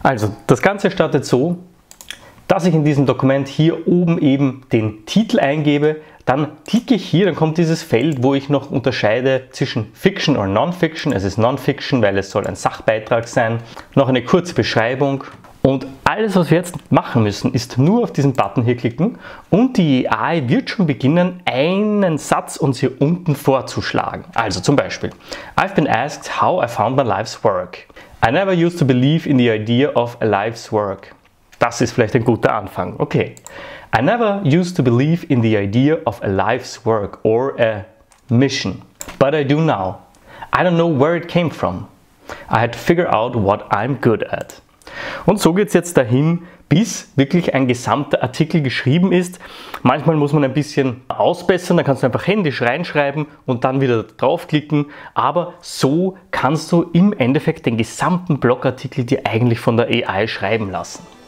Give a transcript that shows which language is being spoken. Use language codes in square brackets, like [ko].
[de] Also, das Ganze startet so, dass ich in diesem Dokument hier oben eben den Titel eingebe, dann klicke ich hier, dann kommt dieses Feld, wo ich noch unterscheide zwischen Fiction und Non-Fiction. Es ist Non-Fiction, weil es soll ein Sachbeitrag sein. Noch eine kurze Beschreibung. Und alles, was wir jetzt machen müssen, ist nur auf diesen Button hier klicken und die AI wird schon beginnen, einen Satz uns hier unten vorzuschlagen. Also zum Beispiel, [en] I've been asked how I found my life's work. I never used to believe in the idea of a life's work. [de] Das ist vielleicht ein guter Anfang. [en] Okay. I never used to believe in the idea of a life's work or a mission. But I do now. I don't know where it came from. I had to figure out what I'm good at. [de] Und so geht's jetzt dahin, bis wirklich ein gesamter Artikel geschrieben ist. Manchmal muss man ein bisschen ausbessern, da kannst du einfach händisch reinschreiben und dann wieder draufklicken. Aber so kannst du im Endeffekt den gesamten Blogartikel dir eigentlich von der AI schreiben lassen.